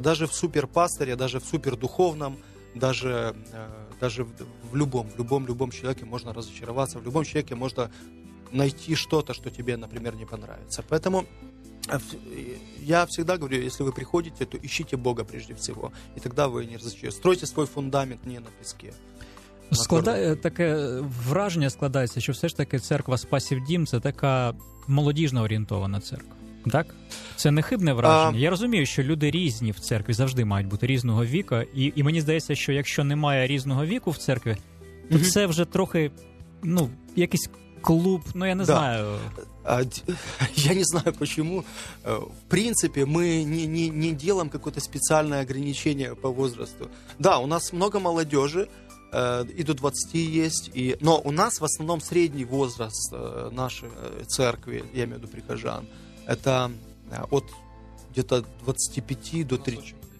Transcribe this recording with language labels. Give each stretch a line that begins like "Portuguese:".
Russian: Даже в суперпастыре, даже в супердуховном, даже в любом человеке можно разочароваться. В любом человеке можно найти что-то, что тебе, например, не понравится. Поэтому я всегда говорю, если вы приходите, то ищите Бога прежде всего. И тогда вы не разочаруетесь. Стройте свой фундамент не на песке.
Ukrainian: Таке враження складається, що все ж таки церква Спасів Дім – це така молодіжно орієнтована церква, так? Це не хибне враження. Я розумію, що люди різні в церкві, завжди мають бути різного віка, і мені здається, що якщо немає різного віку в церкві, то це вже трохи, якийсь клуб, я не знаю.
Russian: Я не знаю, почему. В принципе, мы не делаем какое-то спеціальне ограничение по возрасту. Да, у нас много молодежи, и до 20 есть. Но у нас в основном средний возраст нашей церкви, я имею в виду прихожан, это от где-то 25 до 30.